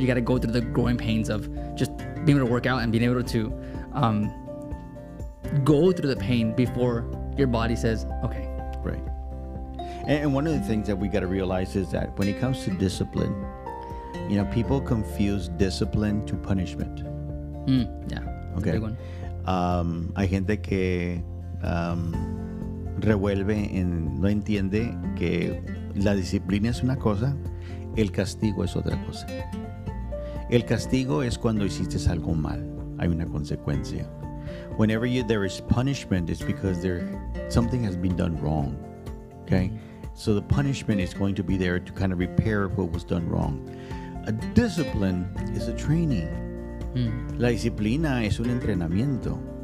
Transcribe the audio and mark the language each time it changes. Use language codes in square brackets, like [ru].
[en] You got to go through the growing pains of just being able to work out and being able to go through the pain before your body says, okay, Right. And one of the things that we got to realize is that when it comes to discipline, you know, people confuse discipline to punishment. Yeah, okay. A big one. [es] Hay gente que revuelve en, no entiende que la disciplina es una cosa, el castigo es otra cosa. El castigo es cuando hiciste algo mal. Hay una consecuencia. [en] Whenever there is punishment, it's because something has been done wrong. Okay? So the punishment is going to be there to kind of repair what was done wrong. A discipline is a training. [es] La disciplina es un entrenamiento.